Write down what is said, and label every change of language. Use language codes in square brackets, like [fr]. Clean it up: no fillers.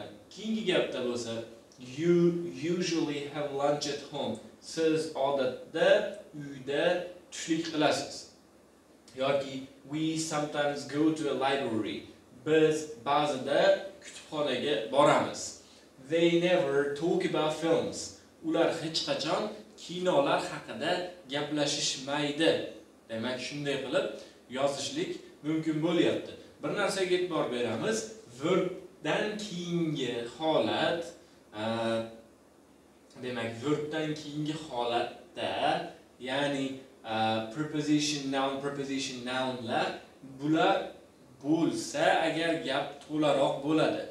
[uz] Keyingi gapda bo'lsa [en] you usually have lunch at home. [uz] Siz odatda uyda tushlik qilasiz. Yoki [en] we sometimes go to a library. [uz] Biz ba'zida kutubxonaga boramiz. [en] They never talk about films. [uz] Ular hech qachon kinolar haqida gaplashishmaydi. Demak, shunday qilib yozishlik mumkin bo'lyapti. Bir narsaga e'tibor beramiz. Verbdan keyingi holat, demak, verbdan keyingi holatda, ya'ni preposition, noun, preposition, nounlar bular bo'lsa, agar gap to'laroq bo'ladi.